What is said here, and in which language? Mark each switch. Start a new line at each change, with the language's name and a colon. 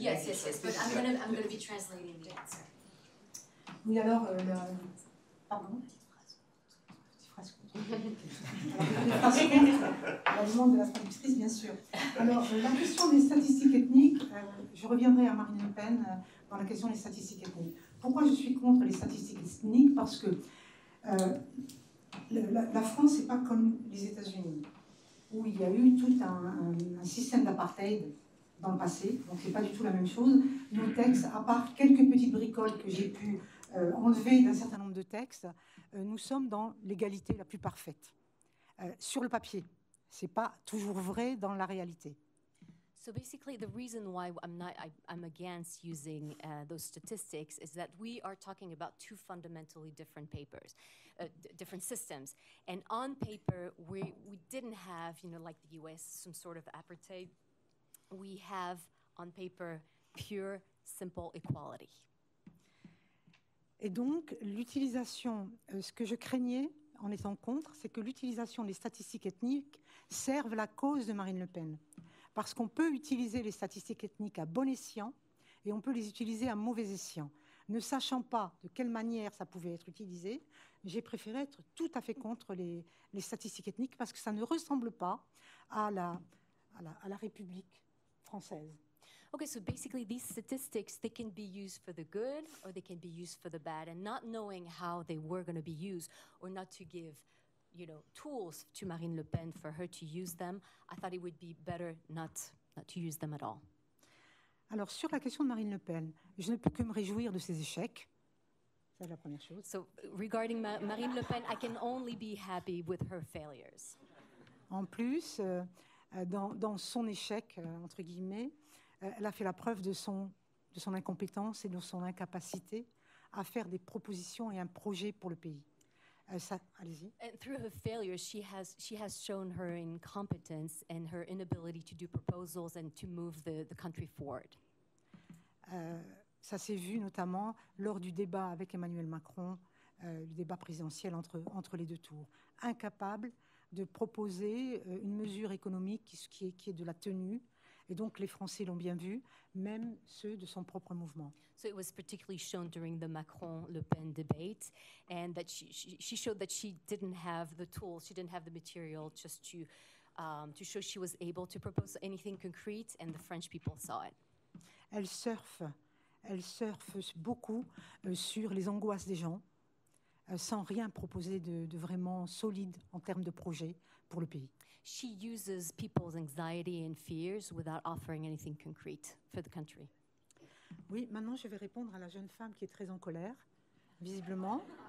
English: Yes, but I'm going to be translating the answer.
French: Oui, alors, la demande de la traductrice, bien sûr. Alors, la question des statistiques ethniques, je reviendrai à Marine Le Pen dans la question des statistiques ethniques. Pourquoi je suis contre les statistiques ethniques? Parce que la France n'est pas comme les États-Unis, où il y a eu tout un système d'apartheid dans le passé, donc c'est pas du tout la même chose. Nos textes, à part quelques petites bricoles que j'ai pu enlever d'un certain nombre de textes, nous sommes dans l'égalité la plus parfaite. Sur le papier, c'est pas toujours vrai dans la réalité.
English: So basically, the reason why I'm against using those statistics is that we are talking about two fundamentally different papers, different systems. And on paper, we didn't have, you know, like the US, some sort of apartheid. We have, on paper, pure, simple equality.
French: Et donc, l'utilisation, ce que je craignais en étant contre, c'est que l'utilisation des statistiques ethniques serve la cause de Marine Le Pen. Parce qu'on peut utiliser les statistiques ethniques à bon escient et on peut les utiliser à mauvais escient. Ne sachant pas de quelle manière ça pouvait être utilisé, j'ai préféré être tout à fait contre les statistiques ethniques parce que ça ne ressemble pas à la République.
English: Okay, so basically these statistics, they can be used for the good or they can be used for the bad, and not knowing how they were going to be used or not to give, you know, tools to Marine Le Pen for her to use them, I thought it would be better not to use them at all.
French: Alors sur la question de Marine Le Pen, je ne peux que me réjouir de ses échecs. C'est la première chose.
English: So regarding Marine Le Pen, I can only be happy with her failures.
French: En plus, dans son échec, entre guillemets, elle a fait la preuve de son incompétence et de son incapacité à faire des propositions et un projet pour le pays.
English: And through her failures, she has shown her incompetence and her inability to do proposals and to move the country forward.
French: Ça s'est vu notamment lors du débat avec Emmanuel Macron, le débat présidentiel entre les deux tours, incapable de proposer une mesure économique qui est de la tenue. Et donc les Français l'ont bien vu, même ceux de son propre mouvement.
English: So it was particularly shown during the Macron-Le Pen debate, and that she showed that she didn't have the tools, she didn't have the material just to show she was able to propose anything concrete, and the French people saw it.
French: Elle surfe beaucoup sur les angoisses des gens, sans rien proposer de vraiment solide en termes de projet pour le pays.
English: She uses people's anxiety and fears without offering anything concrete for the country.
French: Oui, maintenant je vais répondre à la jeune femme qui est très en colère, visiblement.